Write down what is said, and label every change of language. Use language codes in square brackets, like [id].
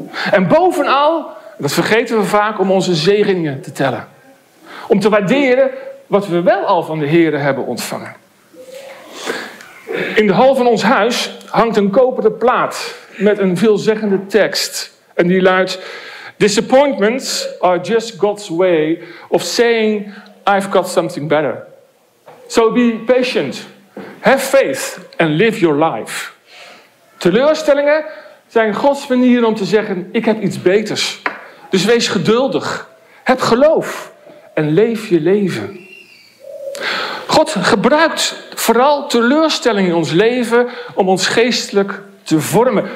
[nl] En bovenal, dat vergeten we vaak, om onze zegeningen te tellen. Om te waarderen wat we wel al van de Heere hebben ontvangen. In de hal van ons huis hangt een koperen plaat met een veelzeggende tekst. En die luidt: [en] "Disappointments are just God's way of saying I've got something better. So be patient, have faith and live your life." [nl] Teleurstellingen zijn Gods manier om te zeggen: ik heb iets beters. Dus wees geduldig, heb geloof en leef je leven. God gebruikt vooral teleurstellingen in ons leven om ons geestelijk te vormen.